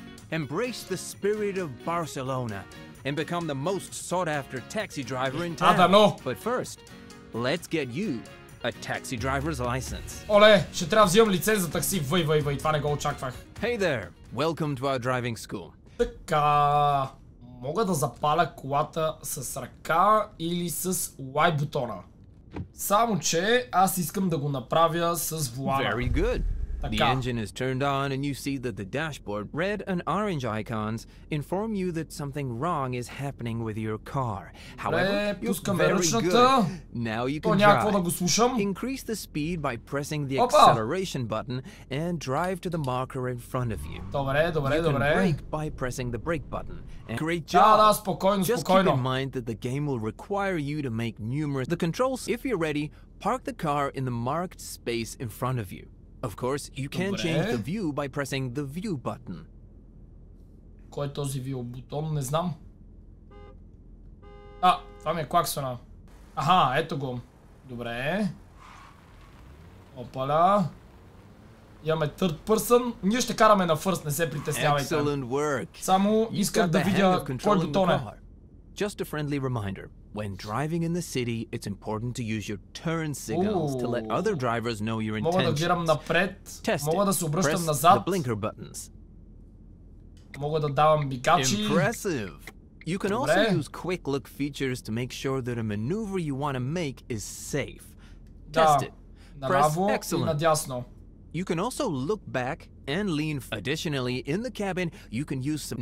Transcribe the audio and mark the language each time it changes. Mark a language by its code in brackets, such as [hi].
[en] Embrace the spirit of Barcelona and become the most sought after taxi driver in town. Adano. But first, let's get you a taxi driver's license. [bg] Оле, ще трябва да взимам лиценз за такси. Въй, въй, въй, това не го очаквах. [en] Hey there. Welcome to our driving school. [bg] Така, мога да запаля колата с ръка или с Y бутона. Само че аз искам да го направя с вуала. [en] Very good. The engine is turned on and you see that the dashboard red and orange icons inform you that something wrong is happening with your car. However, you're very good. Now you can drive. Increase the speed by pressing the acceleration button and drive to the marker in front of you. [bg] Добре, добре, добре. [en] You can brake by pressing the brake button. Great job. [bg] Да, да, спокойно, спокойно. [en] Just keep in mind that the game will require you to make numerous... The controls, if you're ready, park the car in the marked space in front of you. Of course, you can change the view by pressing the view button. [bg] Кой е този view бутон? Не знам. А, това ми е клаксона. Аха, ето го. Добре. Опаля. Имаме [en] third person. [bg] Ние ще караме на first, не се притеснявайте. [en] Excellent work. [bg] Само исках да видя кой бутон е. [en] Just a friendly reminder. When driving in the city, it's important to use your turn signals to let other drivers know your intentions. [bg] Мога да гирам напред, мога да се обръщам назад. [en] The blinker buttons. [bg] Мога да давам бикачи. [en] Impressive. You can also use quick look features to make sure that a maneuver you want to make is safe. [bg] Да. [en] Test it. [bg] Право и надясно. [en] You can also look back and lean. Additionally, in the cabin, you can use some...